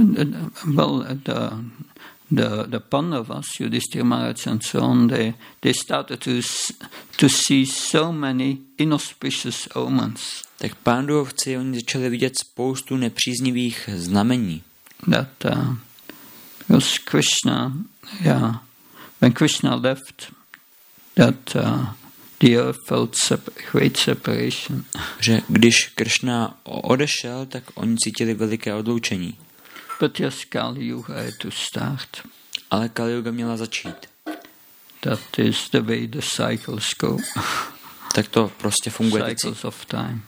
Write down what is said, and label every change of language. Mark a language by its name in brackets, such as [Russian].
[English] the Pandavas, Yudhishthira Maharaj and so on, they started to see so many inauspicious omens. [Czech] Tak Pandovci, oni začali vidět spoustu nepříznivých znamení. [English] That Krishna, yeah, when Krishna left, that the earth felt great separation. [Czech] Že když Krishna odešel, tak oni cítili veliké odloučení. [English] But yes, Kali Yuga had to start. [Czech] Ale Kali Yuga měla začít. [English] That is the way the cycles go. [Czech] Tak to prostě funguje. [English] Cycles of time.